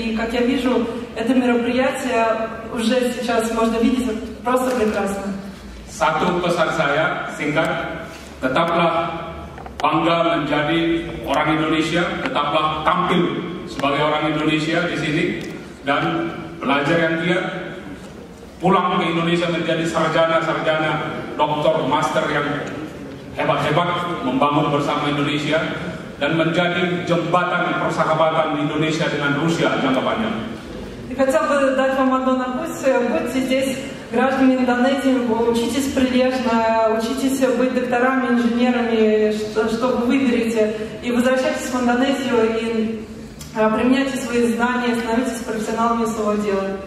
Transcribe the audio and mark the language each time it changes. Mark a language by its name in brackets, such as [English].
[Russian] И, как я вижу, это мероприятие уже сейчас можно видеть просто прекрасно. [Indonesian] Satu pesan saya, singkat, tetaplah bangga menjadi orang Indonesia, tetaplah tampil sebagai orang Indonesia di sini, dan belajar yang giat, pulang ke Indonesia menjadi sarjana-sarjana, doktor, master yang hebat-hebat membangun bersama Indonesia dan menjadi jembatan persahabatan Indonesia dengan Rusia jangka panjang. [Russian] Я хотел бы дать вам одно напутствие. Будьте здесь гражданами Индонезии, учитесь прилежно, учитесь быть докторами, инженерами, что вы выберете, и возвращайтесь в Индонезию, и применяйте свои знания, становитесь профессионалами своего дела.